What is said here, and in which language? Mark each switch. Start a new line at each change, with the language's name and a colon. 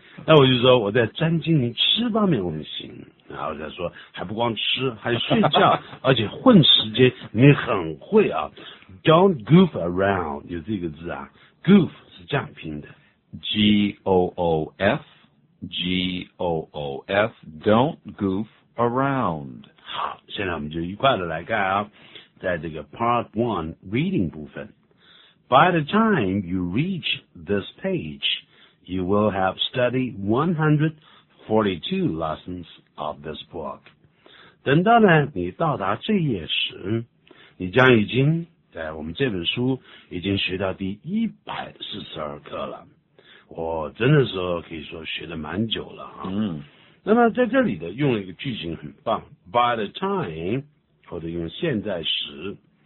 Chinese: 那我就说我在专精于吃方面问心。然后他说还不光吃还睡觉而且混时间你很会啊。
English: Don't goof around,
Chinese: 有这个字啊。Goof 是这样拼的。
English: G-O-O-F, G-O-O-F, don't goof around.
Chinese: 好现在我们就一块的来看啊。在这个 part one, reading 部分。
English: By the time you reach this page,You will have studied 142 lessons of this book.
Chinese: 等到呢你到达这页时你将已经在我们这本书已经学到第142课了。我真的说可以说学得蛮久了啊。嗯。那么在这里的用了一个句型很棒 ,by the time, 或者用现在时。